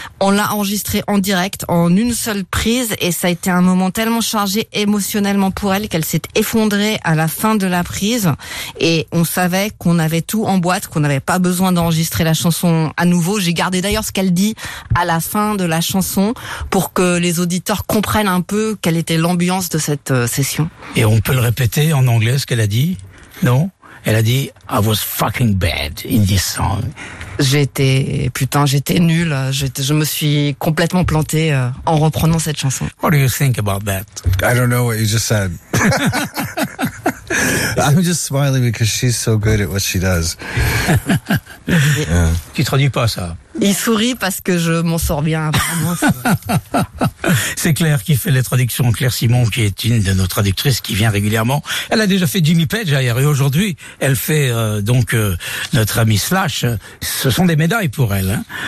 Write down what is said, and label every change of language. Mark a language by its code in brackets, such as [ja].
[fr] On l'a enregistrée en direct en une seule prise et ça a été un moment tellement chargé émotionnellement pour elle qu'elle s'est effondrée à la fin de la prise. Et on savait qu'on avait tout en boîte, qu'on n'avait pas besoin d'enregistrer la chanson à nouveau. J'ai gardé d'ailleurs ce qu'elle dit à la fin de la chanson pour que les auditeurs comprennent un peu quelle était l'ambiance de cette session. Et on peut le répéter en anglais ce qu'elle a dit? Non? Elle a dit [en] I was fucking bad in this song. [fr] J'étais nul. Je me suis complètement planté en reprenant cette chanson. [en] What do you think about that? I don't know what you just said. I'm just smiling because she's so good at what she does. [fr] Tu traduis pas ça. Il sourit parce que je m'en sors bien. C'est Claire qui fait les traductions. Claire Simon, qui est une de nos traductrices, qui vient régulièrement. Elle a déjà fait Jimmy Page hier. Et aujourd'hui, elle fait notre ami Slash. Ce sont des médailles pour elle. Hein.